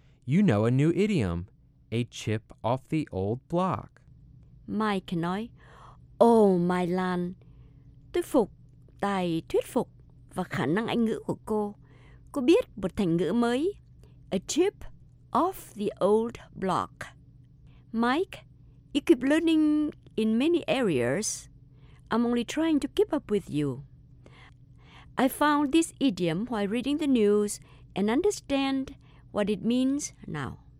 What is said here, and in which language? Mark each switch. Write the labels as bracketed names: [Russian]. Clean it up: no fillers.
[English] You know a new idiom, a chip off the old block. [Vietnamese] Mike nói, oh My Lan, tôi phục tài thuyết phục và khả năng Anh ngữ của cô. Cô biết một thành ngữ mới, [English] a chip off the old block. Mike, you keep learning in many areas. I'm only trying to keep up with you. I found this idiom while reading the news and understand what it means now.